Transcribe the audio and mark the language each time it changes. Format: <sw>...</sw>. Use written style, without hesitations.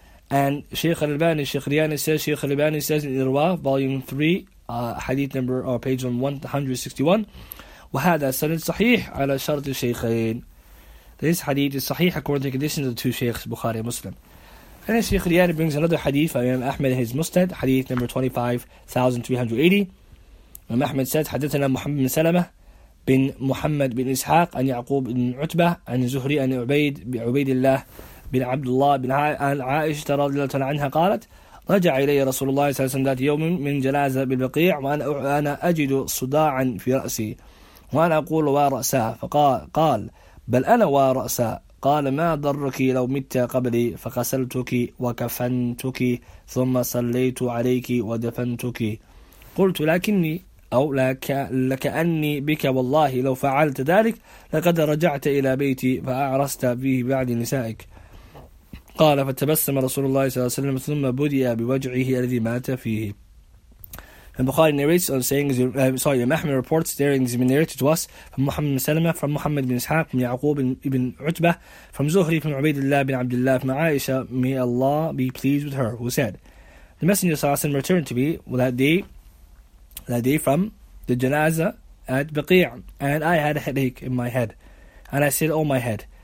<en>And Shaykh Al-Albani says in Irwa, volume 3, hadith number, page 161,</en> <ar>وَهَذَا سَنَدْ صَحِيحْ عَلَى شَرْطِ الشَّيْخَيْنِ.</ar> <en>This hadith is sahih according to the conditions of the two Shaykhs, Bukhari and Muslim. And then Shaykh Riyad brings another hadith from Imam Ahmed in his Mustad, hadith number 25,380. Imam Ahmed says,</en> <ar>حدثنا محمد بن سلمة بن محمد بن إسحاق عن يعقوب بن عتبة عن زهري عن عبيد الله بن عبد الله بن عائشة رضي الله عنها قالت رجع إلي رسول الله صلى الله عليه وسلم ذات يوم من جنازة بالبقيع وأنا أجد صداعا في رأسي وأنا أقول ورأسا فقال بل أنا ورأسا قال ما ضرك لو مت قبلي فغسلتك وكفنتك ثم صليت عليك ودفنتك قلت لكني أو لكأني بك والله لو فعلت ذلك لقد رجعت إلى بيتي فأعرست به بعد نسائك قال فتبسم رسول الله صلى الله عليه وسلم ثم بدئ بوجعه الذي مات فيه.</ar> <en>And Bukhari narrates on saying, Imam Ahmad reports there and has been narrated to us from Muhammad bin Salama, from Muhammad bin Ishaq, from Ya'qub ibn Utbah, from Zuhri, from Ubaidullah bin Abdullah, from Aisha, may Allah be pleased with her, who said, the Messenger sallallahu alayhi wa sallam returned to me that day from the janazah at Baqi'ah, and I had a headache in my head. And I said, oh my head,</en>